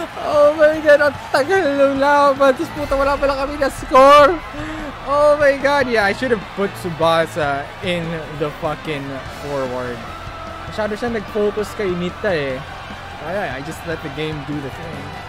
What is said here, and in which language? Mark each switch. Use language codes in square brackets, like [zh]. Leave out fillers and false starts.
[en] Oh my god, [tl] ang tagal ng laban. Tapos puta, wala pala kami na score. [en] Oh my god, yeah, I should have put Tsubasa in the fucking forward. [tl] Masyado siya nag-focus kay Nita eh. [en] Kaya, I just let the game do the thing.